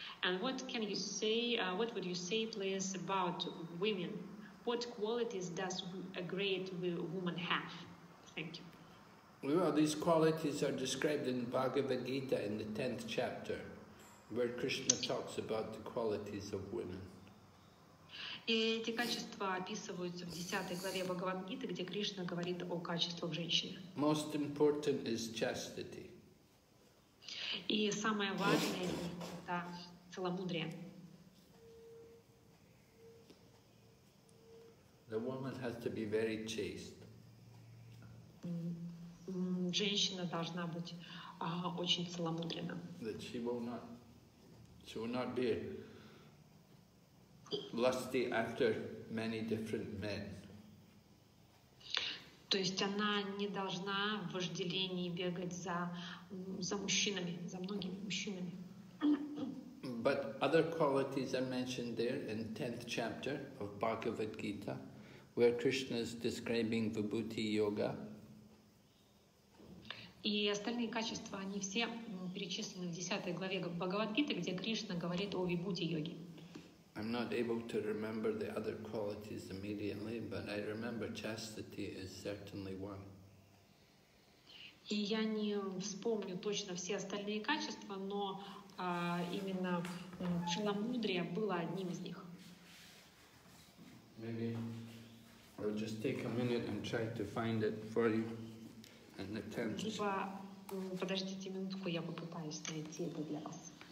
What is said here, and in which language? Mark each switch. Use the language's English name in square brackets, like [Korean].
[English] And what can you say, what would you say, please, about women? What qualities does a great woman have? Thank you. Well, these qualities are described in Bhagavad Gita in the 10th chapter, where Krishna talks about the qualities of women. [Russian] Эти качества описываются в 10 главе Бхагавад Гиты, где Кришна говорит о качествах женщины. [English] Most important is chastity. [Russian] И самое важное – это целомудрие. [English] The woman has to be very chaste. [Russian] Женщина должна быть очень целомудрена. [English] That she will not be lusty after many different men. [Russian] То есть она не должна в вожделении бегать за мужчинами, за многими мужчинами. [English] But other qualities are mentioned there in 10th chapter of Bhagavad Gita, where Krishna is describing Vibhuti Yoga. [Russian] И остальные качества, они все перечислены в 10 главе Бхагавад Гиты, где Кришна говорит о Вибхути Йоге. [English] I'm not able to remember the other qualities immediately, but I remember chastity is certainly one. [Russian] И я не вспомню точно все остальные качества, но именно целомудрие было одним из них. [English] Maybe I'll just take a minute and try to find it for you in the tent. [Russian] Подождите минутку, я попытаюсь найти это для вас.